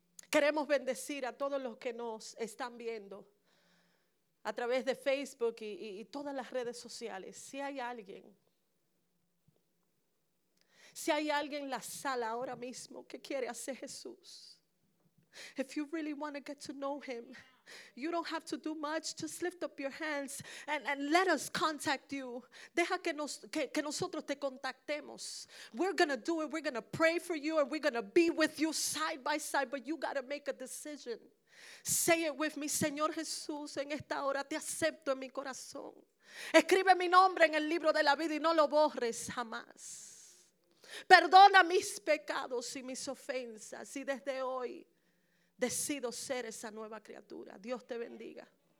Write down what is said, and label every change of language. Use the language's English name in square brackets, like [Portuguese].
[Spanish] Queremos bendecir a todos los que nos están viendo a través de Facebook y todas las redes sociales. Si hay alguien en la sala ahora mismo que quiere hacer Jesús. [English] If you really want to get to know him, you don't have to do much. Just lift up your hands and let us contact you. [Spanish] Deja que nosotros te contactemos. [English] We're going to do it. We're going to pray for you and we're going to be with you side by side. But you got to make a decision. Say it with me. [Spanish] Señor Jesús, en esta hora te acepto en mi corazón. Escribe mi nombre en el libro de la vida y no lo borres jamás. Perdona mis pecados y mis ofensas y desde hoy decido ser esa nueva criatura. Dios te bendiga.